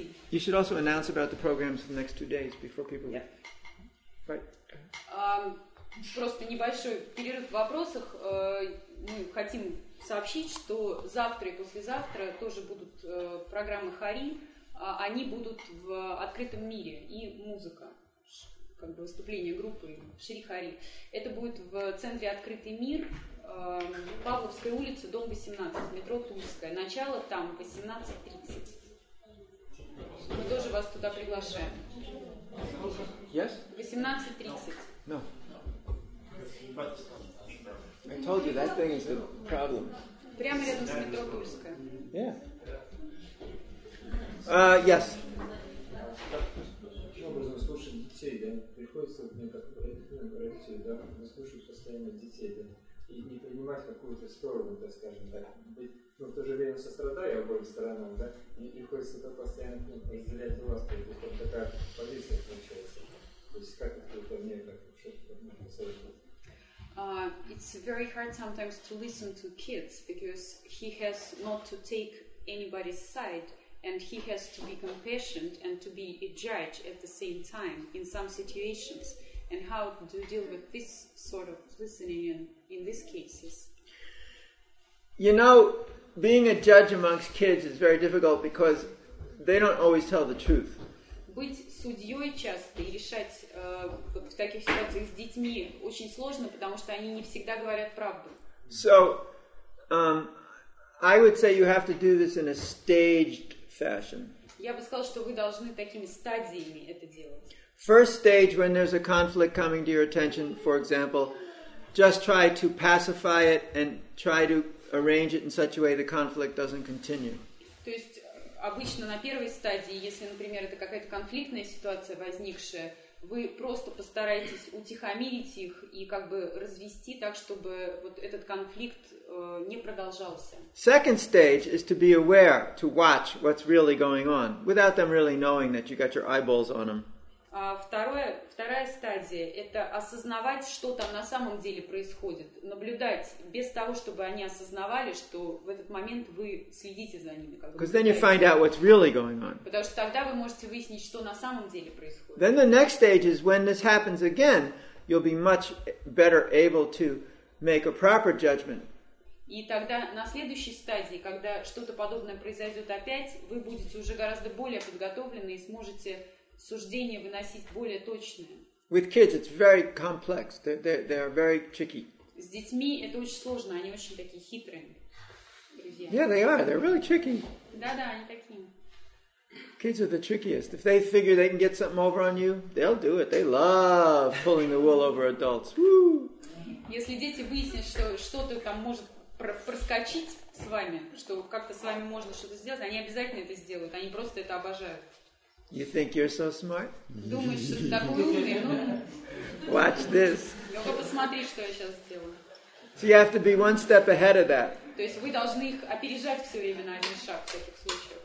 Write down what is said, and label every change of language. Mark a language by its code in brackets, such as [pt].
[en] You should also announce about the programs for the next 2 days before people... Yeah. Right. [ru] Просто небольшой перерыв в вопросах. Мы хотим сообщить, что завтра и послезавтра тоже будут программы Хари. Они будут в открытом мире. И музыка, как бы выступление группы Шри Хари. Это будет в центре «Открытый мир», Павловской улице, дом 18, метро Тульская. Начало там 18:30. Мы тоже вас туда приглашаем. [en] Yes? 18:30. No. I told you that thing is the problem. [ru] Прямо рядом с метро Тульская. [en] Yeah. Yes. [ru] Каким образом слушать детей, да? Приходится мне как родителю, да, слушать постоянно детей, да, и не принимать какую-то сторону, да, скажем так. Но в то же время сострадая обоим сторонам, да, и приходится это постоянно разделять власть, то есть вот такая позиция получается. То есть как это мне как-то что-то посоветовать? [en] It's very hard sometimes to listen to kids because he has not to take anybody's side, and he has to be compassionate and to be a judge at the same time in some situations. And how do you deal with this sort of listening in these cases? You know, being a judge amongst kids is very difficult because they don't always tell the truth. [ru] Быть судьей часто и решать в таких ситуациях с детьми очень сложно, потому что они не всегда говорят правду. [en] So, I would say you have to do this in a staged fashion. [ru] Я бы сказала, что вы должны такими стадиями это делать. [en] First stage, when there's a conflict coming to your attention, for example, just try to pacify it and try to arrange it in such a way the conflict doesn't continue. [ru] То есть обычно на первой стадии, если, например, это какая-то конфликтная ситуация возникшая, вы просто постараетесь утихомирить их и как бы развести так, чтобы вот этот конфликт не продолжался. [en] Second stage is to be aware, to watch what's really going on, without them really knowing that you got your eyeballs on them. [ru] Вторая стадия – это осознавать, что там на самом деле происходит. Наблюдать, без того, чтобы они осознавали, что в этот момент вы следите за ними. [en] Because then you find out what's really going on. [ru] Потому что тогда вы можете выяснить, что на самом деле происходит. [en] Then the next stage is when this happens again, you'll be much better able to make a proper judgment. [ru] И тогда на следующей стадии, когда что-то подобное произойдет опять, вы будете уже гораздо более подготовлены и сможете суждение выносить более точное. [en] With kids, it's very complex. They are very tricky. [ru] С детьми это очень сложно. Они очень такие хитрые, друзья. [en] Yeah, they are. They're really tricky. [ru] Да-да, они такие. [en] Kids are the trickiest. If they figure they can get something over on you, they'll do it. They love pulling the wool over adults. Woo! [ru] Если дети выяснят, что что-то там может проскочить с вами, что как-то с вами можно что-то сделать, они обязательно это сделают. Они просто это обожают. [en] You think you're so smart? [ru] Думаешь, что ты такой умный? [en] Watch this. [ru] Только посмотри, что я сейчас сделаю. [en] So you have to be one step ahead of that. [ru] То есть вы должны их опережать все время на один шаг в таких случаях.